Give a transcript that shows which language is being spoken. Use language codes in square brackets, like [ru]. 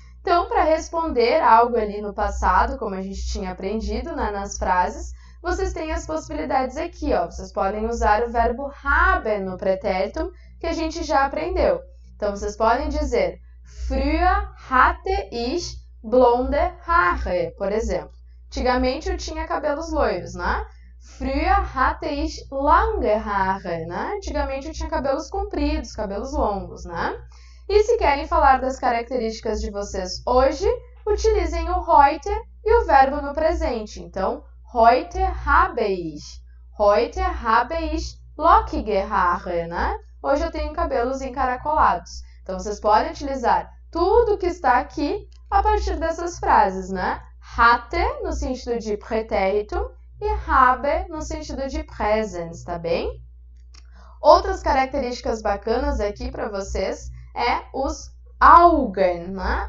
[pt] Então, para responder algo ali no passado, como a gente tinha aprendido, né, nas frases, vocês têm as possibilidades aqui, ó. Vocês podem usar o verbo haben no pretérito, que a gente já aprendeu. Então, vocês podem dizer: [de] Früher hatte ich blonde Haare, [pt] por exemplo. Antigamente eu tinha cabelos loiros, né? [de] Früher hatte ich lange Haare, né? [pt] Antigamente eu tinha cabelos compridos, cabelos longos, né? E se querem falar das características de vocês hoje, utilizem o heute e o verbo no presente. [de] Então, heute habe ich lockige Haare, né? [pt] Hoje eu tenho cabelos encaracolados. Então, vocês podem utilizar tudo que está aqui a partir dessas frases, né? Hatte no sentido de pretérito e habe no sentido de presens, tá bem? Outras características bacanas aqui para vocês é os Augen, né?